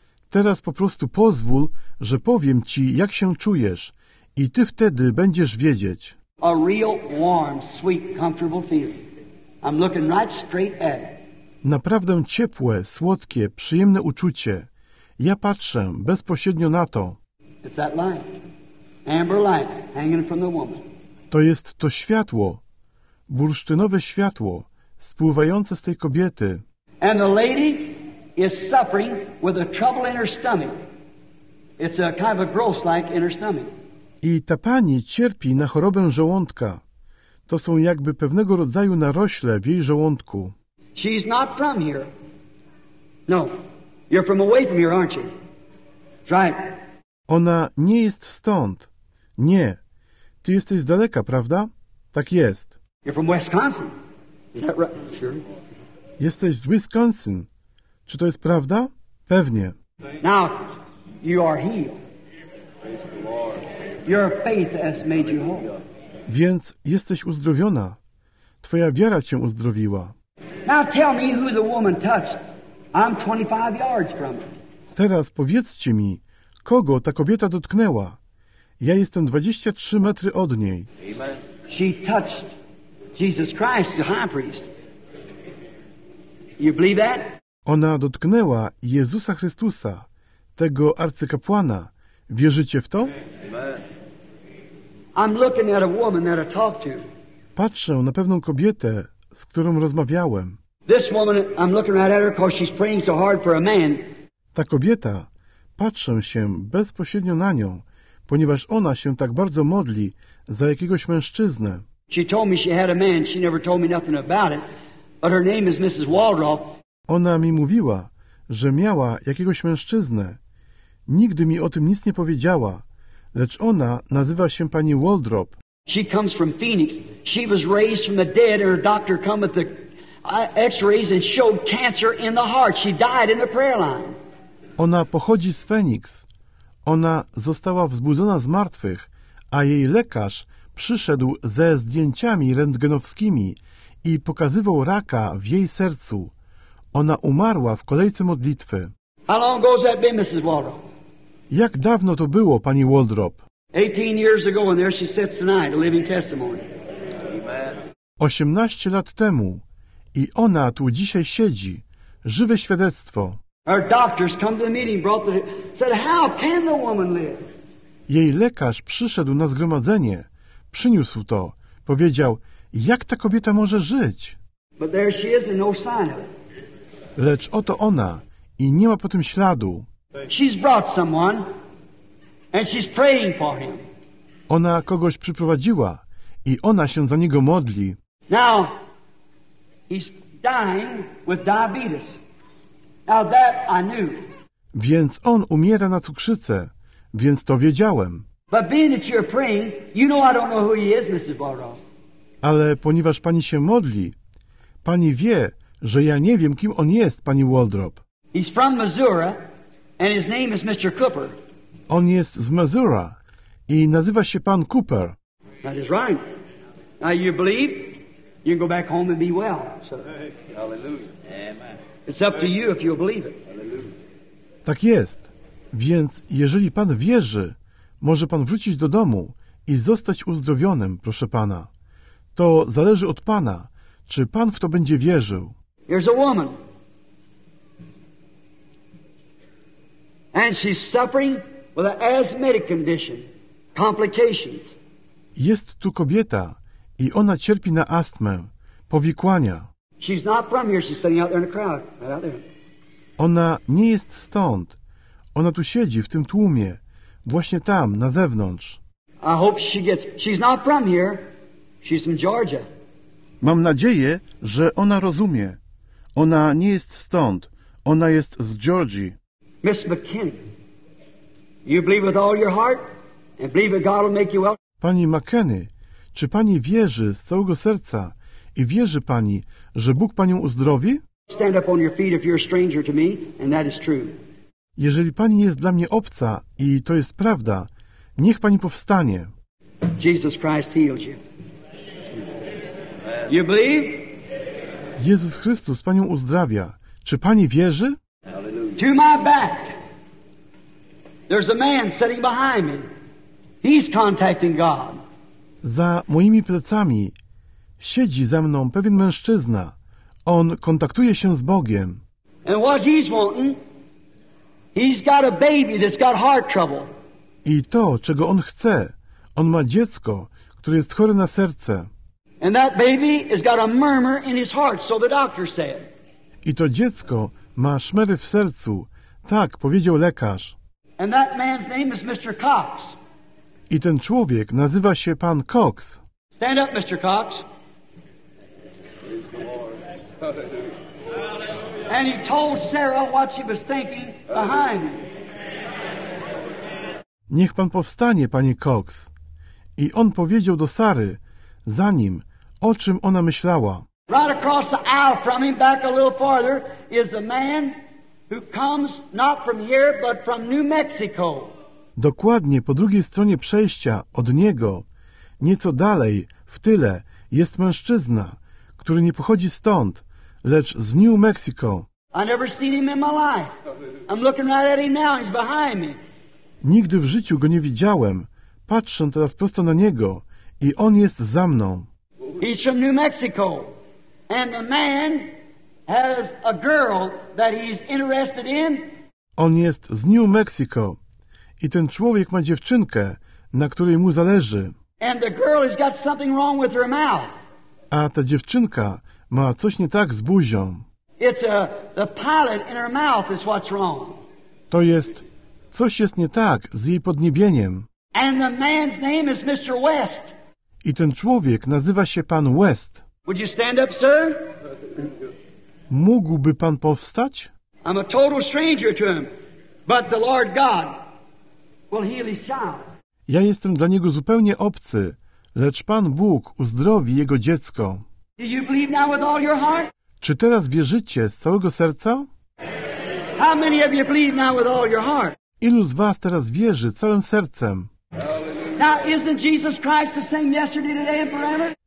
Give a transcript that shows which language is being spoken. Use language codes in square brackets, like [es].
[pl] Teraz po prostu pozwól, że powiem ci, jak się czujesz, i ty wtedy będziesz wiedzieć. [en] A real warm, sweet, comfortable feeling. I'm looking right straight at it. [pl] Naprawdę ciepłe, słodkie, przyjemne uczucie. Ja patrzę bezpośrednio na to. [en] It's that light. Amber light hanging from the woman. [pl] To jest to światło, bursztynowe światło, spływające z tej kobiety. [en] And the lady is suffering with a trouble in her stomach. It's a kind of a growth like in her stomach. [pl] I ta pani cierpi na chorobę żołądka. To są jakby pewnego rodzaju narośle w jej żołądku. [en] She's not from here. No, you're from away from here, aren't you? Right. [pl] Ona nie jest stąd. Nie. Ty jesteś z daleka, prawda? Tak jest. [en] You're from Wisconsin. Is that right? Sure. [pl] Jesteś z Wisconsin. Czy to jest prawda? Pewnie. [en] Now, you are healed. Your faith has made you whole. [pl] Więc jesteś uzdrowiona. Twoja wiara cię uzdrowiła. [en] Now tell me who the woman touched. I'm 25 yards from her. [pl] Teraz powiedzcie mi, kogo ta kobieta dotknęła. Ja jestem 23 metry od niej. [en] Amen. She touched Jesus Christ, the high priest. You believe that? [pl] Ona dotknęła Jezusa Chrystusa, tego arcykapłana. Wierzycie w to? [en] I'm looking at a woman that I talked to. [pl] Patrzę na pewną kobietę, z którą rozmawiałem. [en] This woman, I'm looking right at her because she's praying so hard for a man. [pl] Ta kobieta, patrzę się bezpośrednio na nią, ponieważ ona się tak bardzo modli za jakiegoś mężczyznę. [en] She told me she had a man. She never told me nothing about it. But her name is Mrs. Waldrop. [pl] Ona mi mówiła, że miała jakiegoś mężczyznę. Nigdy mi o tym nic nie powiedziała, lecz ona nazywa się pani Waldrop. [en] She comes from Phoenix. She was raised from the dead. Her doctor come with the x-rays and showed cancer in the heart. She died in the prayer line. [pl] Ona pochodzi z Phoenix. Ona została wzbudzona z martwych, a jej lekarz przyszedł ze zdjęciami rentgenowskimi i pokazywał raka w jej sercu. Ona umarła w kolejce modlitwy. [en] How long ago has that been, Mrs. Waldrop? [pl] Jak dawno to było, pani Waldrop? [en] 18 years ago, and there she sits tonight, a living testimony. Amen. [pl] 18 lat temu i ona tu dzisiaj siedzi, żywe świadectwo. [en] Our doctors come to the meeting, brought the said, how can the woman live? [pl] Jej lekarz przyszedł na zgromadzenie, przyniósł to, powiedział, jak ta kobieta może żyć? [en] But there she is, and no sign of it. [pl] Lecz oto ona i nie ma po tym śladu. [en] She's brought someone, and she's praying for him. [pl] Ona kogoś przyprowadziła i ona się za niego modli. [en] Now, he's dying with diabetes. Now that I knew. [pl] Więc on umiera na cukrzycę, więc to wiedziałem. [en] But being that you're praying, you know I don't know who he is, Mrs. Barrow. [pl] Ale ponieważ pani się modli, pani wie, że ja nie wiem, kim on jest, pani Waldrop. [en] He's from Missouri, and his name is Mr. Cooper. [pl] On jest z Missouri i nazywa się pan Cooper. [en] That is right. Now you believe, you can go back home and be well. So. Hallelujah. Amen. It's up to you if you believe it. Hallelujah. [pl] Tak jest. Więc jeżeli pan wierzy, może pan wrócić do domu i zostać uzdrowionym, proszę pana. To zależy od pana, czy pan w to będzie wierzył. [en] Here's a woman. And she's suffering with an asthmatic condition, complications. [pl] Jest tu kobieta i ona cierpi na astmę, powikłania. [en] She's not from here, she's sitting out there in the crowd, right out there. [pl] Ona nie jest stąd. Ona tu siedzi w tym tłumie, właśnie tam, na zewnątrz. [en] I hope she gets. She's not from here. She's from Georgia. [pl] Mam nadzieję, że ona rozumie. Ona nie jest stąd. Ona jest z Georgii. [en] Miss McKinney, you believe with all your heart and believe that God will make you well. [pl] Pani McKinney, czy pani wierzy z całego serca i wierzy pani, że Bóg panią uzdrowi? [en] Stand up on your feet if you're a stranger to me, and that is true. [pl] Jeżeli pani jest dla mnie obca i to jest prawda, niech pani powstanie. [en] Jesus Christ healed you. You believe? [pl] Jezus Chrystus panią uzdrawia. Czy pani wierzy? [en] To my back. There's a man sitting behind me. He's contacting God. [pl] Za moimi plecami siedzi ze mną pewien mężczyzna. On kontaktuje się z Bogiem. [en] And what he's wanting? He's got a baby that's got heart trouble. [pl] I to, czego on chce. On ma dziecko, które jest chore na serce. [en] And that baby has got a murmur in his heart, so the doctor said. [pl] I to dziecko ma szmery w sercu. Tak, powiedział lekarz. [en] And that man's name is Mr. Cox. [pl] I ten człowiek nazywa się pan Cox. [en] Stand up, Mr. Cox. And he told Sarah what she was thinking behind him. [pl] Niech pan powstanie, panie Cox. I on powiedział do Sary, za nim, o czym ona myślała. [en] Right across the aisle from him, back a little farther, is a man who comes not from here, but from New Mexico. [pl] Dokładnie po drugiej stronie przejścia od niego, nieco dalej, w tyle, jest mężczyzna, który nie pochodzi stąd, lecz z New Mexico. [en] I never seen him in my life. I'm looking right at him now. He's behind me. [pl] Nigdy w życiu go nie widziałem. Patrzę teraz prosto na niego i on jest za mną. [en] He's from New Mexico. And the man has a girl that he's interested in. [pl] On jest z New Mexico. I ten człowiek ma dziewczynkę, na której mu zależy. [en] And the girl has got something wrong with her mouth. [pl] A ta dziewczynka ma coś nie tak z buzią. [en] It's the pilot in her mouth is what's wrong. [pl] To jest, coś jest nie tak z jej podniebieniem. [en] And the man's name is Mr. West. [pl] I ten człowiek nazywa się pan West. [en] Would you stand up, sir? [pl] Mógłby pan powstać? [en] I'm a total stranger to him, but the Lord God will heal his child. [pl] Ja jestem dla niego zupełnie obcy, lecz pan Bóg uzdrowi jego dziecko. [en] Do you believe now with all your heart? [pl] Czy teraz wierzycie z całego serca? [en] How many of you believe now with all your heart? [pl] Ilu z was teraz wierzy całym sercem? [en] Now, isn't Jesus Christ the same yesterday, today and forever?